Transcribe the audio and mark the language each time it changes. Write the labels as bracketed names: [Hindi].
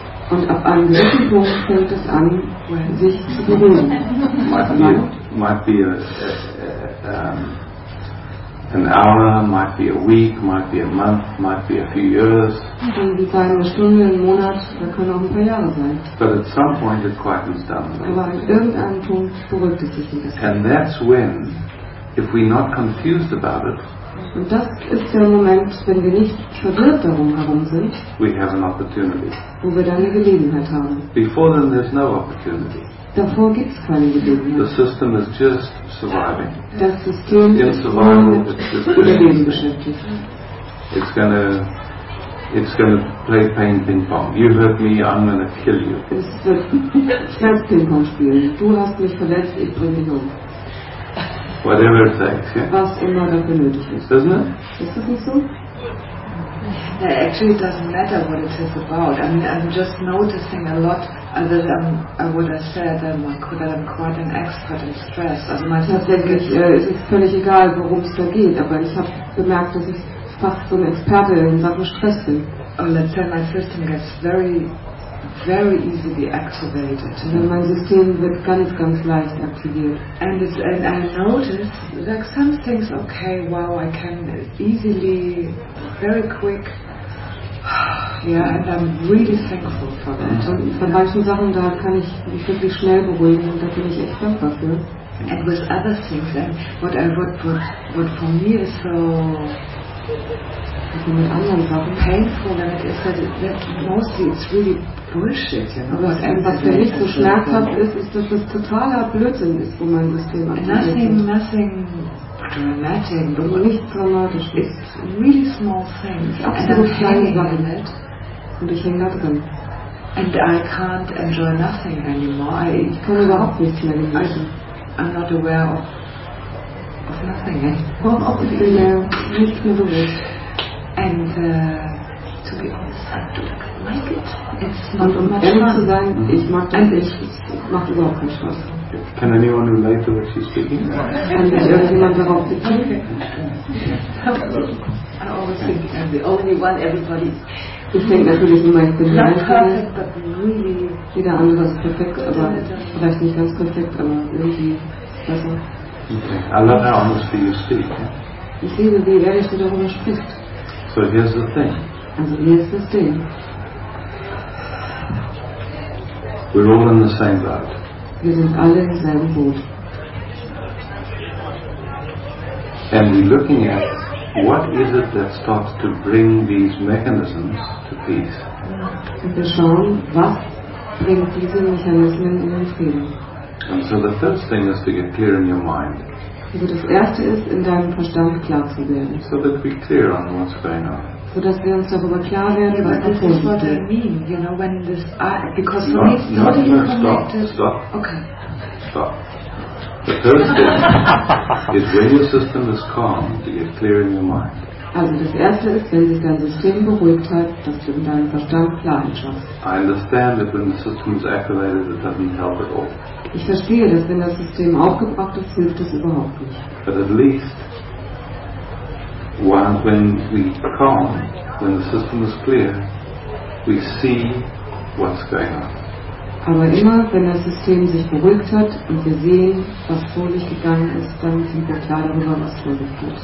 [German] Und ab einem gewissen Punkt fängt es an, sich zu bewegen. [English] Might be an hour, might be a week, might be a month, might be a few years. [German] Kann sein eine Stunde, ein Monat, da können auch ein paar Jahre sein. [English] But at some point it quietens down. [German] Aber an irgendeinem Punkt beruhigt es sich ein bisschen. [English] And that's when, if we're not confused about it. [German] Und das ist der Moment, wenn wir nicht verwirrt darum herum sind, [English] we have an opportunity. [German] Wo wir dann eine Gelegenheit haben. [English] Before then there's no opportunity. [German] Davor gibt es keine Gelegenheit. [English] The system is just surviving. [German] Das System [English] in survival, [German] ist nur mit Überleben beschäftigt. [English] It's gonna play pain ping pong. You hurt me, I'm gonna kill you. [German] Es wird Schmerz ping pong spielen. Du hast mich verletzt, ich bringe dich um. [English] Whatever it takes, yeah. [German] Was immer dafür nötig ist. [English] Isn't it? [German] Ist das nicht so? [English] Yeah, actually, it doesn't matter what it is about. I mean, I'm just noticing a lot that I would have said that I'm quite an expert in stress. [German] Also, mein tatsächlich ist es völlig egal, worum es da geht. Aber ich habe bemerkt, dass ich fast so ein Experte in Sachen Stress bin. [English] Oh, let's say my system gets very, very easily activated. [German] Und also mein System wird ganz, ganz leicht aktiviert. [English] And I notice that some things, okay, wow, I can easily, very quick. Yeah, and I'm really thankful for that. [German] Und bei manchen Sachen, da kann ich mich wirklich schnell beruhigen und da bin ich echt dankbar für. [English] And with other things, and what for me is so. [German] Also mit anderen Sachen. [English] Painful, and it is that mostly it's really bullshit, you know. [German] Was für mich so schmerzhaft ist, dass es totaler Blödsinn ist, wo mein System aktiviert ist. [English] Nothing dramatic, but [German] nichts dramatisch. [English] It's really small things. [German] Absolut kleine Sachen. Und ich hänge da drin. [English] And I can't enjoy nothing anymore. [German] Ich kann überhaupt nichts mehr genießen. [English] I'm not aware of nothing, [German] eh? [English] Well, obviously, [German] nicht mehr bewusst. [English] And to be honest, I don't like it. It's not much fun. [German] Ehrlich zu sein, ich mag das nicht. Es macht überhaupt keinen Spaß. [English] Can anyone relate to what she's speaking? [German] Kann irgendjemand darauf beziehen? [English] I always think I'm the only one, everybody. [German] Ich denke natürlich immer, ich bin nicht perfekt, aber [English] really. [German] Jeder andere ist perfekt, aber vielleicht nicht ganz perfekt, aber irgendwie besser. [English] Okay. I love how honestly you speak. [German] Ich liebe, wie ehrlich du darüber sprichst. [English] So here's the thing. [German] Also [English] here's the thing. We're all in the same boat. [German] Wir sind alle im selben Boot. [English] And we're looking at what is it that starts to bring these mechanisms to peace. [German] Und wir schauen, was bringt diese Mechanismen in den Frieden. [English] And so the first thing is to get clear in your mind. [German] Also das erste ist, in deinem Verstand klar zu werden. [English] So that we're clear on what's going on. [German] So dass wir uns darüber klar werden, [English] yeah, [German] was passiert. [English] Is what I mean, you know, when this because for me it's totally connected. Stop. Okay. Stop. The first thing is when your system is calm, to get clear in your mind. [German] Also das erste ist, wenn sich dein System beruhigt hat, dass du in deinem Verstand klar schaust. [English] I understand that when the system is activated, it doesn't help at all. [German] Ich verstehe, dass wenn das System aufgebracht ist, hilft es überhaupt nicht. [English] But at least, once when we calm, when the system is clear, we see what's going on. [German] Aber immer, wenn das System sich beruhigt hat und wir sehen, was vor sich gegangen ist, dann sind wir klar darüber, was vor sich geht.